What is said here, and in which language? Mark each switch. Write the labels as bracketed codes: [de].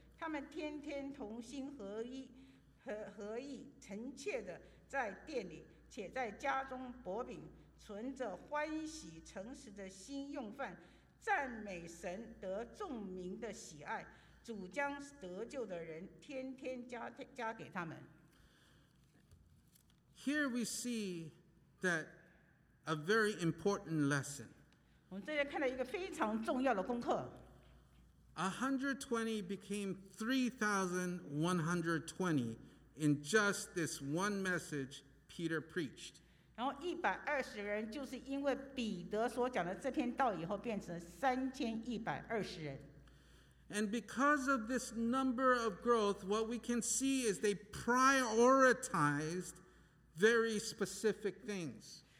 [zh] 他们天天同心合意，诚切的在店里，且在家中薄饼，存着欢喜诚实的心用饭，赞美神得众民的喜爱。主将得救的人天天加给他们。 [en] Here we see that a very important lesson. [zh] 我们这边看到一个非常重要的功课。 [en] 120 became 3,120 in just this one message Peter preached. [zh] 然后120人就是因为彼得所讲的这篇道以后变成3,120人。 [en] And because of this number of growth, what we can see is they prioritized very specific things.